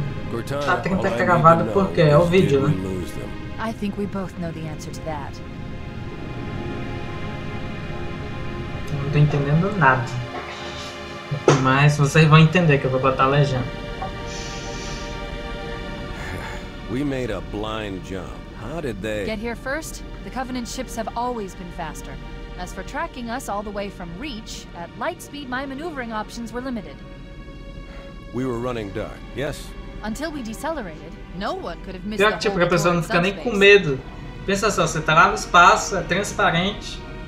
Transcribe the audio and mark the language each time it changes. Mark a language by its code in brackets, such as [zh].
[pt] Cortana, tá 30 gravado porque é o vídeo, né? [en] I think we both know the answer to that. [pt] Não tô entendendo nada. Mas vocês vão entender que eu vou botar a legenda. [en] We made a blind jump. How did they get here first? The Covenant ships have always been faster. As for tracking us all the way from Reach, at light speed my maneuvering options were limited. We were running dark. Yes. Until we decelerated, no one could have missed the [pt] tipo, a pessoa não fica nem com medo. Pensa só, você tá lá no espaço, é transparente.